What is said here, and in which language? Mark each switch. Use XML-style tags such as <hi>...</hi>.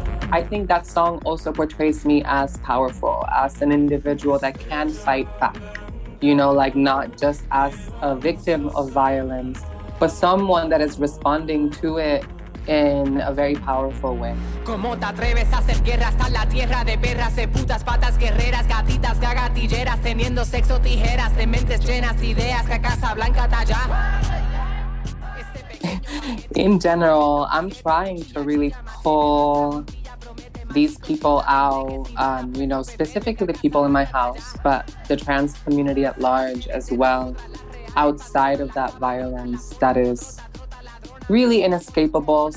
<en>I think that song also portrays me as powerful, as an individual that can fight back. You know, like not just as a victim of violence, but someone that is responding to it in a very powerful way.</en> <es>¿Cómo te atreves a hacer guerra hasta la tierra de perras, de putas, patas guerreras, gatitas, gagatilleras, teniendo sexo, tijeras, de mentes llenas, ideas, que casa blanca está allá?</es> <en>In general, I'm trying to really pull these people out, you know, specifically the people in my house, but the trans community at large as well, outside of that violence that is really inescapable.</en>